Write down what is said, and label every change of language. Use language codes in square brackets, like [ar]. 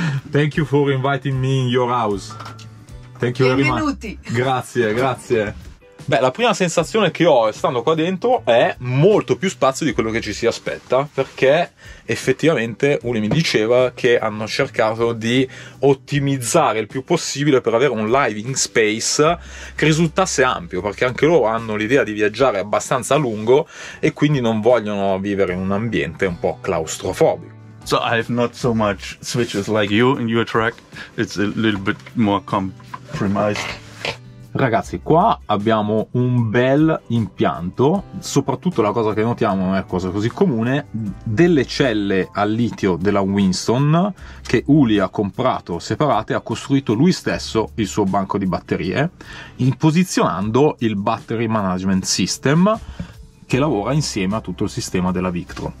[en] Thank you for inviting me in your house. Thank you very much. [it] Grazie, grazie. Beh, la prima sensazione che ho stando qua dentro è molto più spazio di quello che ci si aspetta, perché effettivamente uno mi diceva che hanno cercato di ottimizzare il più possibile per avere un living space che risultasse ampio, perché anche loro hanno l'idea di viaggiare abbastanza lungo e quindi non vogliono vivere in un ambiente un po' claustrofobico. [en] So I have not so much switches like you in your track. It's a little bit more compromised. [it] Ragazzi, qua abbiamo un bel impianto, soprattutto la cosa che notiamo, non è cosa così comune, delle celle al litio della Winston che Uli ha comprato separate, ha costruito lui stesso il suo banco di batterie, posizionando il Battery Management System che lavora insieme a tutto il sistema della Victro.